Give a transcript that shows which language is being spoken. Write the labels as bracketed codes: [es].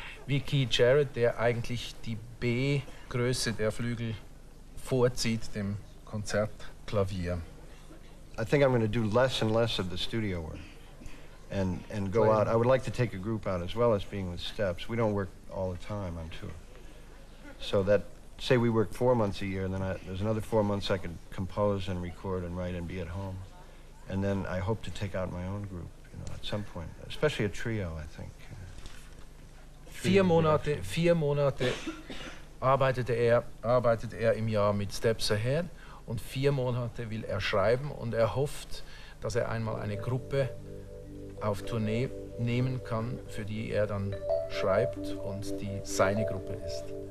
[de] Wie Keith Jarrett, der eigentlich die B-Größe der Flügel vorzieht dem Konzertklavier. [en] I think I'm going to do less and less of the studio work. And go out. I would like to take a group out as well as being with Steps. We don't work all the time on tour. So that, say we work 4 months a year, and then there's another 4 months I could compose and record and write and be at home. And then I hope to take out my own group, you know, at some point, especially a trio, I think. [de] Vier Monate arbeitet er im Jahr mit Steps Ahead, und 4 Monate will er schreiben, und er hofft, dass er einmal eine Gruppe auf Tournee nehmen kann, für die er dann schreibt und die seine Gruppe ist.